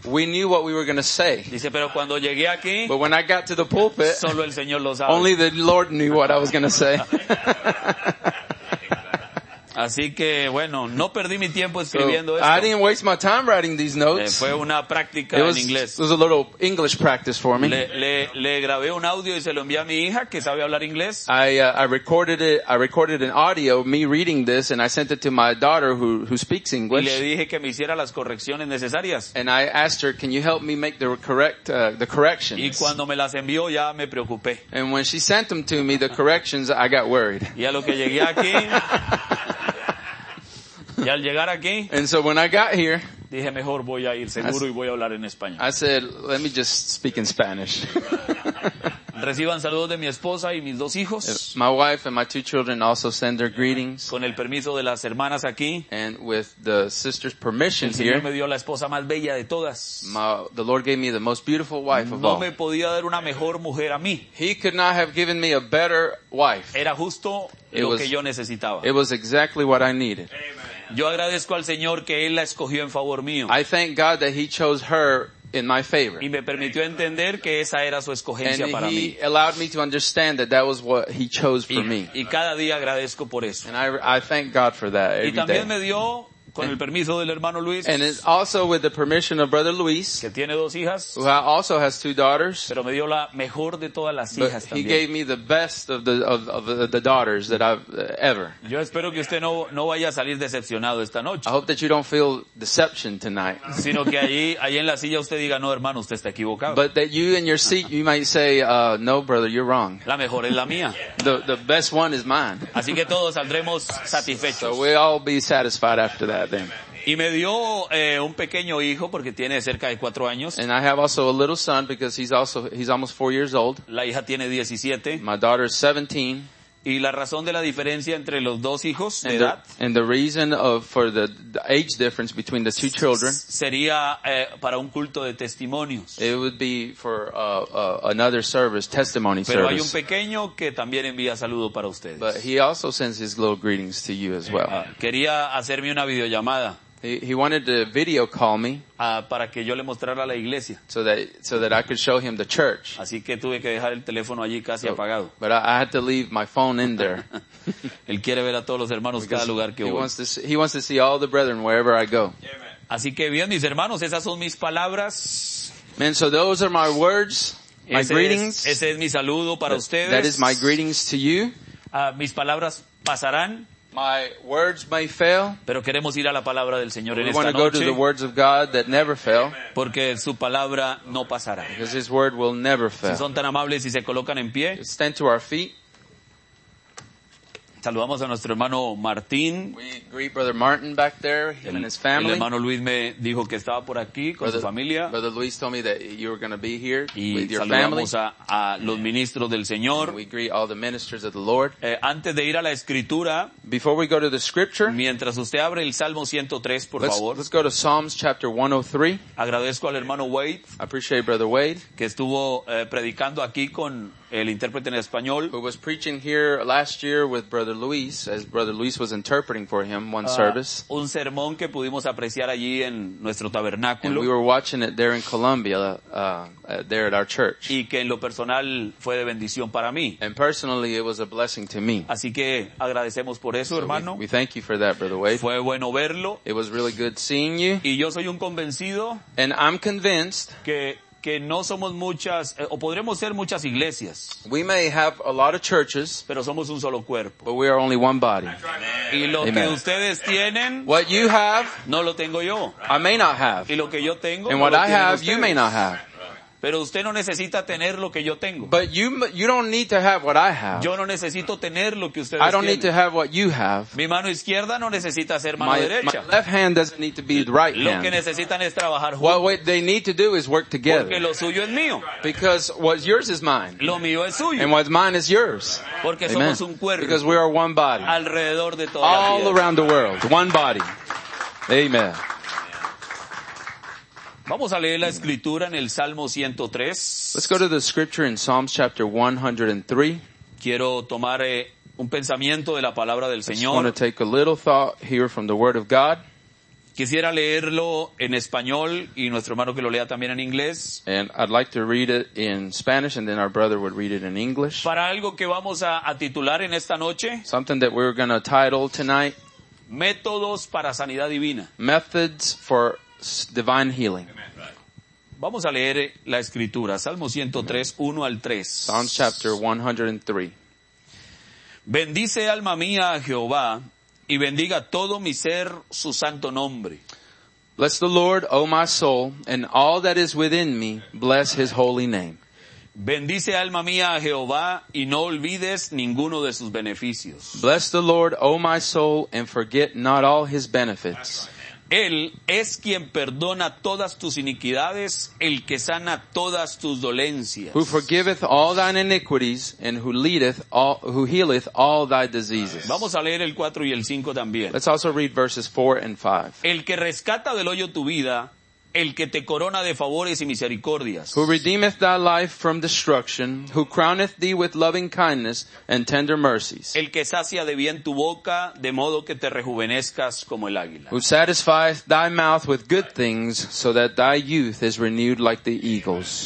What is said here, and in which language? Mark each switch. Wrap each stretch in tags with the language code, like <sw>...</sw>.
<en>We knew what we were going to say.</en> <es>Dice, pero cuando llegué aquí,</es> <en>but when I got to the pulpit,</en> <es>solo el Señor lo sabe.</es> <en>Only the Lord knew what I was going to say.</en> <es>Así que, bueno, no perdí mi tiempo escribiendo esto.</es> <en>I didn't waste my time writing these notes.</en> <es>Fue una práctica en inglés.</es> <en>It was a little English practice for me.</en> <es>Le grabé un audio y se lo envié a mi hija, que sabe hablar inglés.</es> <en>I recorded an audio, me reading this, and I sent it to my daughter who speaks English.</en> <es>Y le dije que me hiciera las correcciones necesarias.</es> <en>And I asked her, can you help me make the corrections?</en> <es>Y cuando me las envió, ya me preocupé.</es> <en>And when she sent them to me, the corrections, I got worried.</en> <es>Y a lo que llegué aquí, y al llegar aquí,</es> <en>and so when I got here,</en> <es>dije mejor voy a ir seguro y voy a hablar en español.</es> <en>I said, let me just speak in Spanish.</en> <es>Reciban saludos de mi esposa y mis dos hijos.</es> <en>My wife and my two children also send their greetings.</en> <es>Con el permiso de las hermanas aquí.</es> <en>And with the sister's permission here.</en> <es>El Señor me dio la esposa más bella de todas.</es> <en>The Lord gave me the most beautiful wife of all.</en> <es>No me podía dar una mejor mujer a mí.</es> <en>He could not have given me a better wife.</en> <es>Era justo lo que yo necesitaba.</es> <en>It was exactly what I needed.</en> <es>Yo agradezco al Señor que Él la escogió en favor mío.</es> <en>I thank God that He chose her in my favor.</en> <es>Y me permitió entender que esa era su escogencia para mí.</es> <en>And He allowed me to understand that that was what He chose for me.</en> <es>Y cada día agradezco por eso.</es> <en>And I thank God for that every day.</en> <es>Y también</es> <en>day.</en> <es>Me dio, con el permiso del hermano Luis.</es> <en>And it's also with the permission of Brother Luis.</en> <es>Que tiene dos hijas.</es> <en>Who also has two daughters.</en> <es>Pero me dio la mejor de todas las hijas también.</es> <en>He gave me the best of the daughters that I've ever.</en> <es>Yo espero que usted no vaya a salir decepcionado esta noche.</es> <en>I hope that you don't feel deception tonight.</en> <es>Sino que ahí en la silla usted diga, no hermano, usted está equivocado.</es> <en>But that you in your seat, you might say, no brother, you're wrong.</en> <es>La mejor es la mía.</es> <en>The best one is mine.</en> <es>Así que todos saldremos satisfechos.</es> <en>So we'll all be satisfied after that.</en> <es>Y me dio un pequeño hijo porque tiene cerca de 4 años.</es> <en>And I have also a little son because he's almost 4 years old.</en> <es>La hija tiene 17.</es> <en>My daughter is 17.</en> <es>Y la razón de la diferencia entre los dos hijos de edad.</es> <en>And the reason for the age difference between the two children.</en> <es>Sería para un culto de testimonios.</es> <en>It would be for another service, testimony service.</en> <es>Pero hay un pequeño que también envía saludo para ustedes.</es> <en>But he also sends his little greetings to you as well.</en> <es>Quería hacerme una videollamada.</es> <en>He wanted to video call me.</en> <es>Para que yo le mostrara la iglesia.</es> <en>So that I could show him the church.</en> <es>Así que tuve que dejar el teléfono allí casi apagado.</es> <en>But I had to leave my phone in there.</en> <es>Él quiere ver a todos los hermanos cada lugar que voy.</es> <en>He wants to see all the brethren wherever I go. Amen.</en> <es>Así que bien, mis hermanos, esas son mis palabras.</es> <en>Man, so those are my words, my greetings.</en> <es>Ese es mi saludo para ustedes.</es> <en>That is my greetings to you.</en> <es>Mis palabras pasarán.</es> <en>My words may fail,</en> <es>pero queremos ir a la palabra del Señor en esta noche.</es> <en>We want to go to the words of God that never fail,</en> <es>porque su palabra no pasará.</es> <en>Because His word will never fail.</en> <es>Si son tan amables y se colocan en pie,</es> <en>stand to our feet.</en> <es>Saludamos a nuestro hermano Martín.</es> <en>We greet Brother Martin back there, him and his family.</en> <es>El hermano Luis me dijo que estaba por aquí con su familia.</es> <en>Brother Luis told me that you were going to be here</en> <es>y</es> <en>with your</en> <es>saludamos</es> <en>family.</en> <es>A los ministros del Señor.</es> <en>And we greet all the ministers of the Lord.</en> <es>Antes de ir a la escritura,</es> <en>before we go to the scripture,</en> <es>mientras usted abre el Salmo 103, por favor.</es> <en>Let's go to Psalms chapter 103.</en> <es>Agradezco al hermano Wade.</es> <en>I appreciate Brother Wade.</en> <es>Que estuvo predicando aquí con el intérprete en español.</es> <en>Who was preaching here last year with Brother Luis, as Brother Luis was interpreting for him one service.</en> <es>Un sermón que pudimos apreciar allí en nuestro tabernáculo.</es> <en>And we were watching it there in Colombia, there at our church.</en> <es>Y que en lo personal fue de bendición para mí.</es> <en>And personally it was a blessing to me.</en> <es>Así que agradecemos por eso,</es> <en>so</en> <es>hermano.</es> <en>We thank you for that, Brother Wade.</en> <es>Fue bueno verlo.</es> <en>It was really good seeing you.</en> <es>Y yo soy un convencido.</es> <en>And I'm convinced</en> <es>que no somos muchas, o podremos ser muchas iglesias.</es> <en>We may have a lot of churches,</en> <es>pero somos un solo cuerpo.</es> <en>But we are only one body.</en> <es>Y lo Amen. Que ustedes tienen,</es> <en>what you have,</en> <es>no lo tengo yo.</es> <en>I may not have.</en> <es>Y lo que yo tengo,</es> <en>and</en> <es>no</es> <en>what</en> <es>lo</es> <en>I have,</en> <es>ustedes.</es> <en>You may not have.</en> <es>Pero usted no necesita tener lo que yo tengo.</es> <en>But you don't need to have what I have.</en> <es>Yo no necesito tener lo que ustedes tienen.</es> <en>I don't need to have what you have.</en> <es>Mi mano izquierda no necesita ser mano derecha.</es> <en>My left hand doesn't need to be the right hand.</en> <es>Lo que necesitan es trabajar juntos.</es> <en>What they need to do is work together.</en> <es>Porque lo suyo es mío.</es> <en>Because what yours is mine.</en> <es>Lo mío es suyo.</es> <en>And what's mine is yours.</en> <es>Porque Amen. Somos un cuerpo.</es> <en>Because we are one body.</en> <es>Alrededor de toda</es> <en>All</en> <es>la vida.</es> <en>Around the world. One body. Amen.</en> <es>Vamos a leer la escritura en el Salmo 103.</es> <en>Let's go to the scripture in Psalms chapter 103.</en> <es>Quiero tomar un pensamiento de la palabra del Señor.</es> <en>I just want to take a little thought here from the word of God.</en> <es>Quisiera leerlo en español y nuestro hermano que lo lea también en inglés.</es> <en>And I'd like to read it in Spanish and then our brother would read it in English.</en> <es>Para algo que vamos a titular en esta noche.</es> <en>Something that we're going to title tonight.</en> <es>Métodos para sanidad divina.</es> <en>Methods for divine healing.</en> <es>Vamos a leer la escritura, Salmo 103, 1 al 3.</es> <en>Psalms chapter 103.</en> <es>Bendice alma mía a Jehová y bendiga todo mi ser su santo nombre.</es> <en>Bless the Lord, O my soul, and all that is within me, bless his holy name.</en> <es>Bendice alma mía a Jehová y no olvides ninguno de sus beneficios.</es> <en>Bless the Lord, O my soul, and forget not all his benefits.</en> <es>Él es quien perdona todas tus iniquidades, el que sana todas tus dolencias.</es> <en>Who forgiveth all thine iniquities and who healeth all thy diseases.</en> <es>Vamos a leer el 4 y el 5 también.</es> <en>Let's also read verses 4 and 5.</en> <es>El que rescata del hoyo tu vida, el que te corona de favores y misericordias.</es> <en>Who redeemeth thy life from destruction, who crowneth thee with loving kindness and tender mercies.</en> <es>El que sacia de bien tu boca, de modo que te rejuvenezcas como el águila.</es> <en>Who satisfieth thy mouth with good things, so that thy youth is renewed like the eagles.</en>